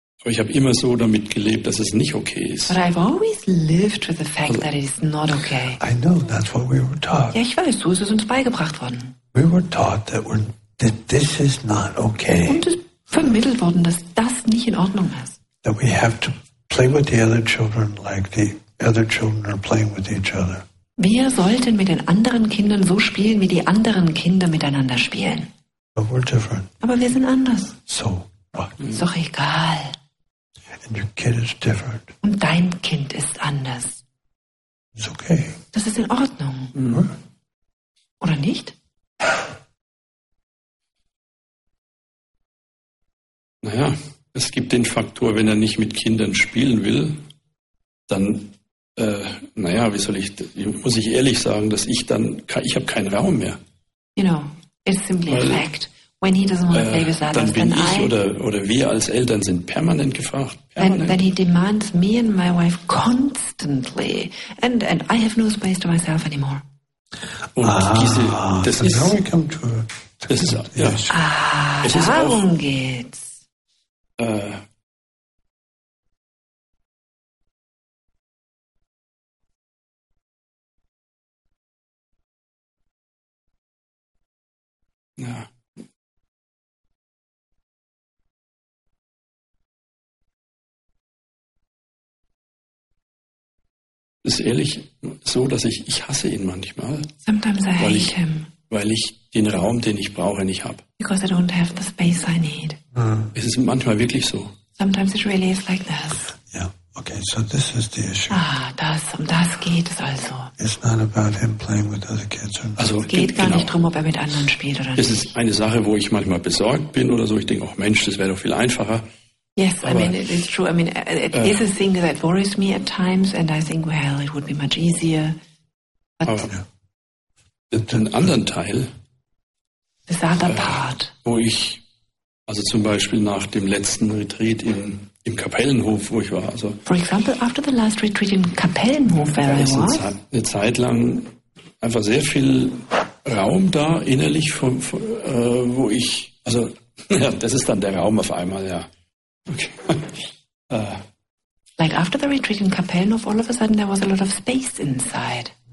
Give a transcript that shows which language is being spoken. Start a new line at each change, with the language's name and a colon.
German: Aber ich habe immer so damit gelebt, dass es nicht okay ist.
English: But I've always lived with the fact that it is not okay. I know, that's what we were taught.
German: Ja, ich weiß, so ist es uns beigebracht worden.
English: We were taught that this is not okay.
German: Und es vermittelt worden, dass das nicht in Ordnung ist.
English: That we have to play with the other children like the other children are playing with each other.
German: Wir sollten mit den anderen Kindern so spielen, wie die anderen Kinder miteinander spielen.
English: But we're different.
German: Aber wir sind anders.
English: So what?
German: Ist doch egal.
English: And your kid is different.
German: Und dein Kind ist anders.
English: It's okay.
German: Das ist in Ordnung. Mm-hmm. Oder nicht? Naja, es gibt den Faktor, wenn er nicht mit Kindern spielen will, dann muss ich ehrlich sagen, dass ich habe keinen Raum mehr.
English: You know, it's simply a fact. When he doesn't want to play with others, then
German: I... Oder wir als Eltern sind permanent gefragt.
English: Then he demands me and my wife constantly. And I have no space to myself anymore. Now we come to...
German: Das ist, ja. Ah, es darum ist auch, geht's. Ja. Es ist ehrlich so, dass ich hasse ihn manchmal.
English: Sometimes I hate him.
German: Weil ich den Raum, den ich brauche, nicht habe.
English: Because I don't have the space I need.
German: Mhm. Es ist manchmal wirklich so.
English: Sometimes it really is like this. Yeah. Okay, so this is the issue.
German: Ah, um das geht es also.
English: It's not about him playing with other kids.
German: Also, es geht genau nicht darum, ob er mit anderen spielt oder nicht. Es ist eine Sache, wo ich manchmal besorgt bin oder so. Ich denke, oh Mensch, das wäre doch viel einfacher.
English: Yes, aber, I mean, it is true. I mean, it is a thing that worries me at times and I think, well, it would be much easier.
German: But den anderen Teil,
English: this other part,
German: wo ich, also zum Beispiel nach dem letzten Retreat im Kapellenhof, wo ich war, also
English: for example, after the last retreat in Kapellenhof, where I was,
German: eine Zeit lang einfach sehr viel Raum da innerlich, wo ich, also ja, das ist dann der Raum auf einmal, ja.
English: Okay. Like after the retreat in Kapellenhof, all of a sudden there was a lot of space inside.